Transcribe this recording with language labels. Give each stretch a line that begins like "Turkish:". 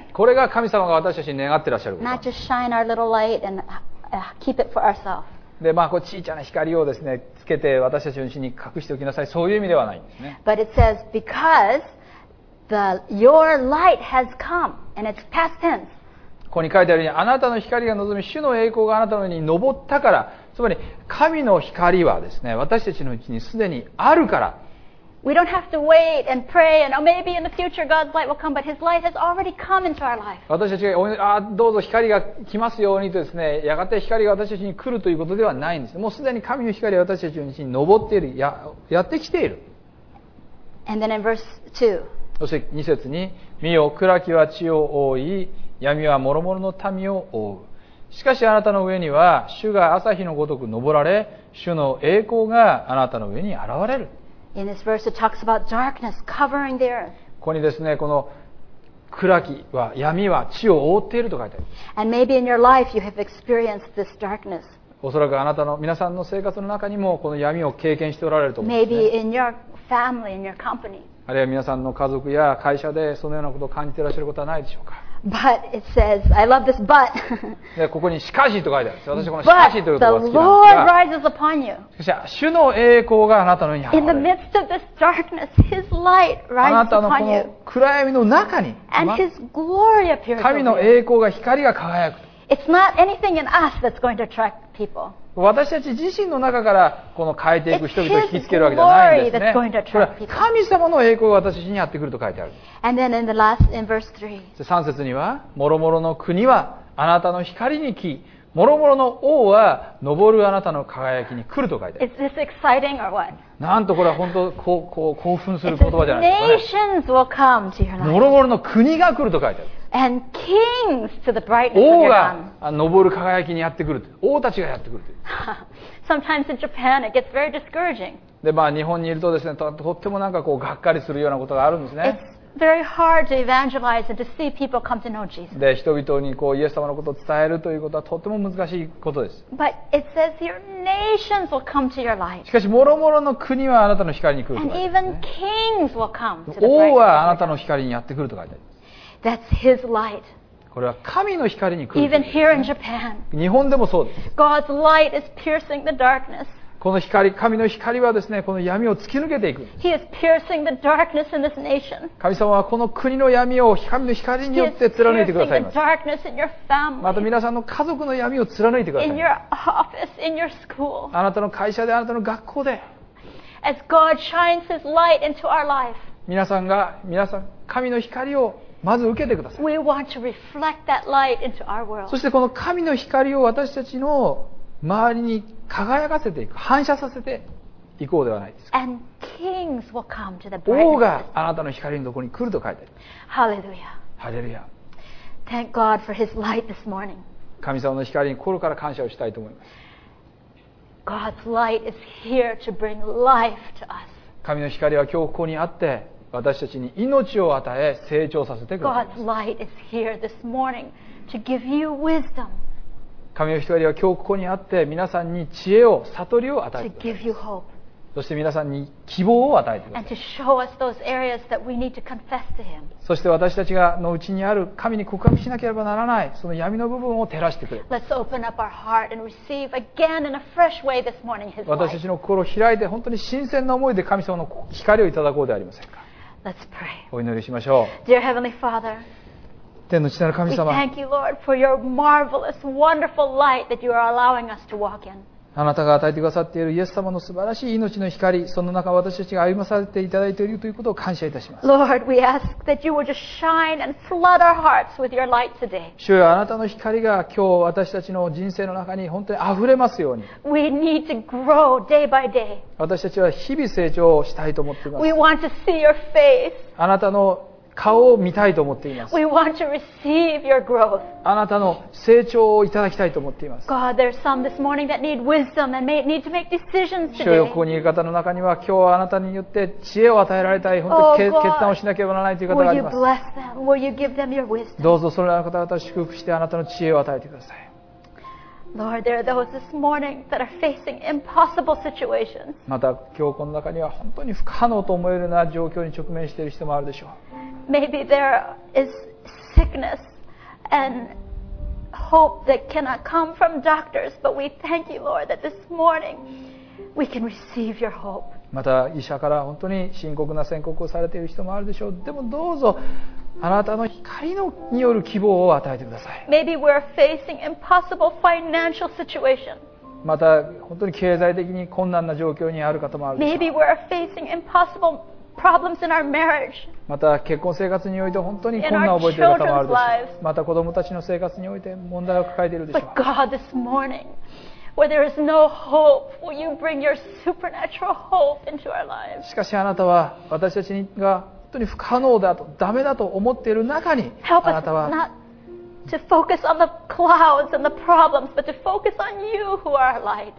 Japanese: これが神様が私たちに願ってらっしゃること。
English: Not just shine our little light and keep it for ourselves.
Japanese: でまあ、こう小さな光をです、ね、つけて私たちのうちに隠しておきなさい、そういう意味ではないんですね。
English: But it says, because the, your light has come, and it's past tense.
Japanese: ここに書いてあるように、あなたの光が望み、主の栄光があなたの上に昇ったから、つまり神の光はです、ね、私たちのうちにすでにあるから。
English: We don't have to wait and pray and, oh, maybe in the future God's light will come, but His light has already come into our life.
Japanese: 私たちが、ああ、どうぞ光が来ますようにとですね、やがて光が私たちに来るということではないんです。もうすでに神の光は私たちのうちに昇っている、やってきている。
English: And then in verse 2.
Japanese: そして2節に、見よ、暗きは地を覆い、闇は諸々の民を覆う。しかしあなたの上には、主が朝日のごとく昇られ、主の栄光があなたの上に現れる。
English: In this verse, it talks about darkness covering the earth.
Japanese: ここにですね、この暗きは闇は地を覆っていると書いてあります。
English: And maybe in your life you have experienced this darkness.
Japanese: おそらくあなたの皆さんの生活の中にもこの闇を経験しておられると思うんですね。
English: Maybe in your family, in your company.
Japanese: あるいは皆さんの家族や会社でそのようなことを感じていらっしゃることはないでしょうか。
English: But it says, I love this but.
Japanese: でここにしかしと書いてあるんです。私このしかしという言葉が好きなんですが。しかし、主の栄光があなたの上に現れる。
English: In the midst of this darkness, His light rises upon you.
Japanese: あなたのこの暗闇の中に、
English: And His glory appears.
Japanese: 神の栄光が光が輝く。
English: It's not anything in us that's going to attract people.
Japanese: 私たち自身の中からこの変えていく人々を引きつけるわけじゃないんですね。これは神様の栄光が私たちにやってくると書いてある。
English: And then in the last, in verse 3.
Japanese: 三節には、もろもろの国はあなたの光に来、もろもろの王は昇るあなたの輝きに来ると書いてある。
English: Is this exciting or what?
Japanese: なんとこれは本当こう興奮する言葉じゃないですか、ね。
English: Nations will come to your life.
Japanese: もろもろの国が来ると書いてある。
English: And kings to the brightness of your sun.
Japanese: 王が昇る輝きにやってくる。王たちがやってくる。
English: Sometimes in Japan, it gets very discouraging.
Japanese: で、まあ日本にいるとですね、とってもなんかこうがっかりするようなことがあるんですね。
English: It's very hard to evangelize and to see people come to know Jesus.
Japanese: で、人々にこうイエス様のことを伝えるということはとっても難しいことです。
English: But it says your nations will come to your light.
Japanese: しかし、もろもろの国はあなたの光に来る。
English: And even kings will come to the brightness of your sun.
Japanese: 王はあなたの光にやってくると書いてある。
English: That's His light.
Japanese: これは神の光に来るんです、ね。
English: Even here in Japan,
Japanese: 日本でもそうです。
English: God's light is piercing the darkness.
Japanese: この光、神の光はですね、この闇を突き抜けていく。
English: He is piercing the darkness in this nation.
Japanese: 神様はこの国の闇を神の光によって貫いてくださいます。
English: He is piercing the darkness in your family.
Japanese: また皆さんの家族の闇を貫いてください。
English: In your office, in your school.
Japanese: あなたの会社で、あなたの学校で。
English: As God shines His light into our life.
Japanese: 皆さん、神の光をまず受けてください。
English: We want to reflect that light into our world.
Japanese: そしてこの神の光を私たちの周りに輝かせていく、反射させていこうではないですか。
English: And kings will come to the brightness.
Japanese: 王があなたの光のところに来ると書いてある。
English: Hallelujah. Hallelujah. Thank God for His light this morning.
Japanese: 神様の光に心から感謝をしたいと思います。
English: God's light is here to bring life to us.
Japanese: 神の光は今日ここにあって、私たちに命を与え成長させてくださいます。
English: God's light is here this morning to give you wisdom.
Japanese: 神の光は今日ここにあって皆さんに知恵を悟りを与えてくださいます。
English: To give you hope.
Japanese: そして皆さんに希望を与えてください。
English: And to show us those areas that we need to confess to him.
Japanese: そして私たちがのうちにある神に告白しなければならないその闇の部分を照らしてくれ。
English: Let's open up our heart and receive again in a fresh way this morning his light.
Japanese: 私たちの心を開いて本当に新鮮な思いで神様の光をいただこうではありませんか。
English: Let's pray.
Japanese: お祈りしましょう。
English: Dear Heavenly Father,
Japanese: 天の父なる神様、
English: We thank you, Lord, for your marvelous, wonderful light that you are allowing us to walk in.
Japanese: あなたが与えてくださっているイエス様の素晴らしい命の光、その中私たちが歩まされていただいているということを感謝いたします。
English: Lord, we ask that you would just shine and flood our hearts with your light today.
Japanese: 主よ、あなたの光が今日私たちの人生の中に本当に溢れますように。
English: We need to grow day by day.
Japanese: 私たちは日々成長したいと思っています。
English: We want to see your face.
Japanese: あなたの顔を見たいと思っています。
English: We want to receive your growth.
Japanese: あなたの成長をいただきたいと思っています。
English: God, there are some this morning that need wisdom and may need to make decisions today.
Japanese: 主よ、ここにいる方の中には今日はあなたによって知恵を与えられたい、本当に決断をしなければならないという方があります。
English: Oh, God, will you bless them? Will you give them your wisdom?
Japanese: どうぞそれらの方々を祝福してあなたの知恵を与えてください。
English: Lord, there are those this morning that are facing impossible situations.
Japanese: また今日この中には本当に不可能と思えるような状況に直面している人もあるでしょう。
English: Maybe there is sickness and hope that cannot come from doctors, but we thank you, Lord, that this morning we can receive your hope.
Japanese: また医者から本当に深刻な宣告をされている人もあるでしょう。でもどうぞあなたの光のによる希望を与えてください。
English: Maybe we're facing impossible financial situation.
Japanese: また本当に経済的に困難な状況にある方もあるでしょう。
English: Maybe we're facing impossible problems in our marriage.
Japanese: また結婚生活において本当に困難を覚えている方もあるでしょう。また子供たちの生活において問題を抱えているでしょう。
English: But God, this morning, where there is no hope, will you bring your supernatural hope into our lives?
Japanese: しかしあなたは私たちが本当に不可能だとダメだと思っている中にあなたは
English: not to focus on the clouds and the problems, but to focus on you who are light.